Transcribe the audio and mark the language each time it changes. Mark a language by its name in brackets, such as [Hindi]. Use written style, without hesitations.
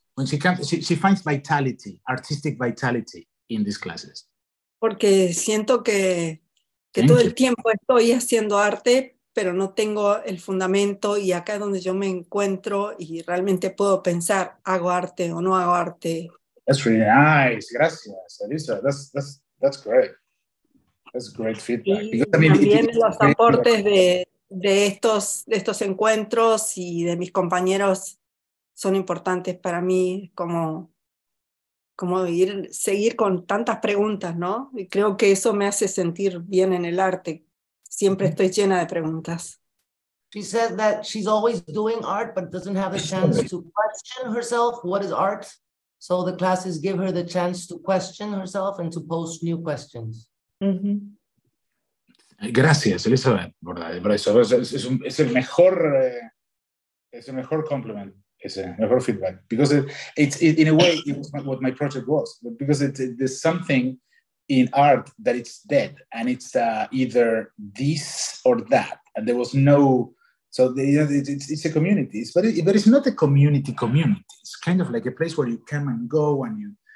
[English] When she comes, she finds vitality, artistic vitality in these classes. [Spanish] Porque siento que todo el tiempo estoy haciendo arte, pero no tengo el fundamento y acá es donde yo me encuentro y realmente puedo pensar, ¿hago arte o no hago arte? [English] That's really nice. Gracias, Elisa. That's great. That's great feedback. [Spanish] Y también los aportes de estos encuentros y de mis compañeros son importantes para mí, como seguir con tantas preguntas, ¿no? Y creo que eso me hace sentir bien en el arte. Siempre estoy llena de preguntas. [English] She said that she's always doing art, but doesn't have a chance to question herself, what is art? So the classes give her the chance to question herself and to post new questions. [Spanish] Mm-hmm. Gracias, Elizabeth. Por eso es el mejor compliment, es el mejor feedback. [English] Because it's in a way it was what my project was. Because it there's something in art that it's dead and it's either this or that, and there was no. So it's a community, but it's not a community. It's kind of like a place where you come and go, and you.